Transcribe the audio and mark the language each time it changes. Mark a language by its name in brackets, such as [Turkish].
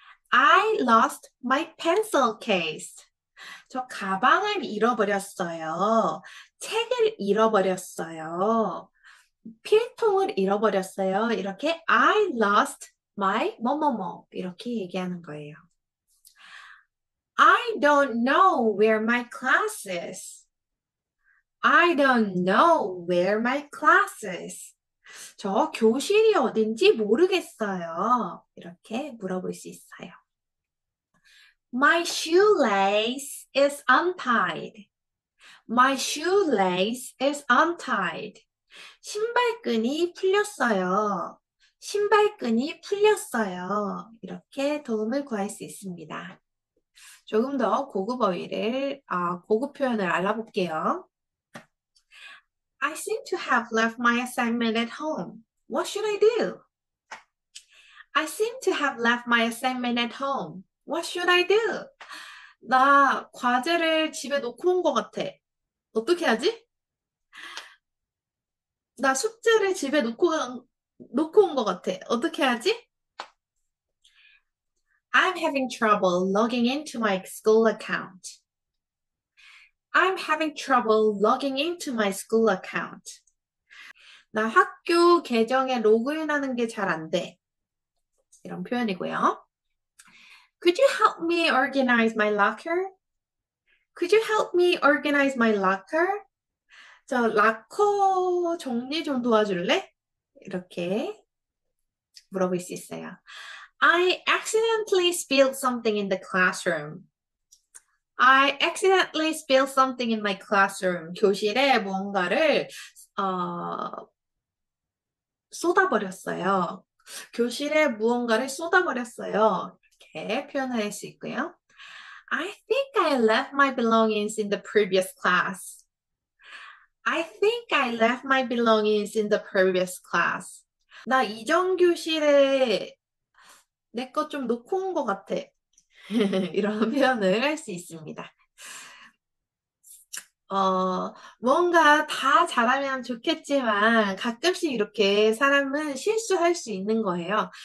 [English] I lost my pencil case. [Korean] 저 가방을 잃어버렸어요. 책을 잃어버렸어요. 필통을 잃어버렸어요. 이렇게 [English] I lost my [Korean] 뭐뭐뭐 이렇게 얘기하는 거예요. [English] I don't know where my class is. I don't know where my class is. [Korean] 저 교실이 어딘지 모르겠어요. 이렇게 물어볼 수 있어요. [English] My shoelace is untied. My shoelace is untied. [Korean] 신발끈이 풀렸어요. 신발끈이 풀렸어요. 이렇게 도움을 구할 수 있습니다. 조금 더 고급 어휘를, 고급 표현을 알아볼게요. [English] I seem to have left my assignment at home. What should I do? I seem to have left my assignment at home. What should I do? [Korean] 나 과제를 집에 놓고 온것 같아. 어떻게 하지? 나 숙제를 집에 놓고 온것 같아. 어떻게 하지? [English] I'm having trouble logging into my school account. I'm having trouble logging into my school account. [Korean] 나 학교 계정에 로그인하는 게잘안 돼. 이런 표현이고요. [English] Could you help me organize my locker? Could you help me organize my locker? [Korean] 저 락커 정리 좀 도와줄래? 이렇게 물어볼 수 있어요. [English] I accidentally spilled something in the classroom. I accidentally spilled something in my classroom. [Korean] 교실에 뭔가를 쏟아버렸어요. 교실에 무언가를 쏟아버렸어요. 이렇게 표현할 수 있고요. [English] I think I left my belongings in the previous class. I think I left my belongings in the previous class. [Korean] 나 이전 교실에 내것좀 놓고 온것 같아. 이런 표현을 할수 있습니다. 뭔가 다 잘하면 좋겠지만 가끔씩 이렇게 사람은 실수할 수 있는 거예요.